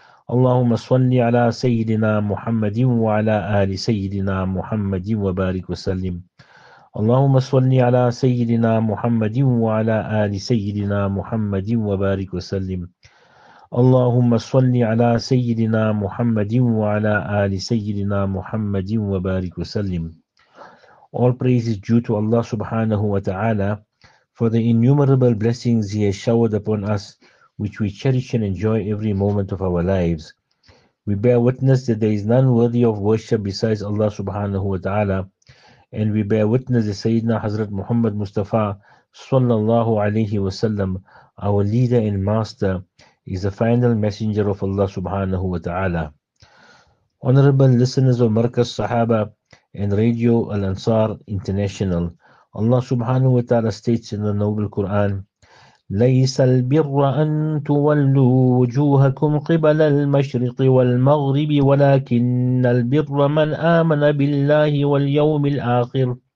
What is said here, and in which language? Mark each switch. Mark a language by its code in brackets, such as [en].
[ar] اللهم صل على سيدنا محمد وعلى آل سيدنا محمد وبارك وسلم. اللهم صل على سيدنا محمد وعلى آل سيدنا محمد وبارك وسلم. اللهم صل على سيدنا محمد وعلى آل سيدنا محمد وبارك وسلم. [en] All praise is due to Allah subhanahu wa ta'ala for the innumerable blessings He has showered upon us, which we cherish and enjoy every moment of our lives. We bear witness that there is none worthy of worship besides Allah subhanahu wa ta'ala, and we bear witness that Sayyidina Hazrat Muhammad Mustafa sallallahu alayhi wa sallam, our leader and master, is the final messenger of Allah subhanahu wa ta'ala. Honorable listeners of Markaz Sahaba and Radio Al Ansar International, Allah subhanahu wa ta'ala states in the Noble Quran, [ar] لَيْسَ الْبِرَّ أَن تُوَلُّوا وُجُوهَكُمْ قِبَلَ الْمَشْرِقِ وَالْمَغْرِبِ وَلَكِنَّ الْبِرَّ مَنْ آمَنَ بِاللَّهِ وَالْيَوْمِ الْآخِرِ